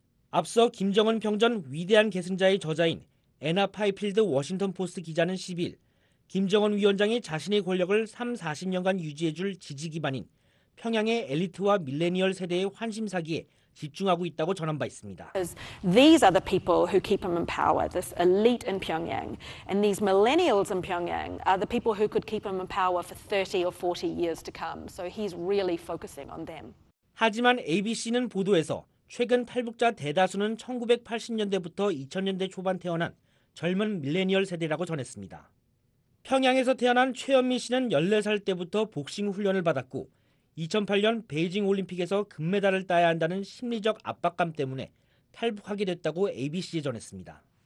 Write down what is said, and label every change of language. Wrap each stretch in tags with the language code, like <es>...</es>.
<ko>앞서 김정은 평전 위대한 계승자의 저자인 애나 파이필드 워싱턴포스트 기자는 10일 김정은 위원장이 자신의 권력을 3,40년간 유지해줄 지지기반인 평양의 엘리트와 밀레니얼 세대의 환심사기에 집중하고 있다고 전한 바 있습니다.</ko> <en>These are the people who keep him in power, this elite in Pyongyang. And these millennials in Pyongyang are the people who could keep him in power for 30 or 40 years to come. So he's really focusing on them.</en> <ko>하지만 ABC는 보도에서 최근 탈북자 대다수는 1980년대부터 2000년대 초반 태어난 젊은 밀레니얼 세대라고 전했습니다. 평양에서 태어난 최현미 씨는 14살 때부터 복싱 훈련을 받았고 2008년 베이징 올림픽에서 금메달을 따야 한다는 심리적 압박감 때문에 탈북하게 됐다고 ABC에 전했습니다.</ko>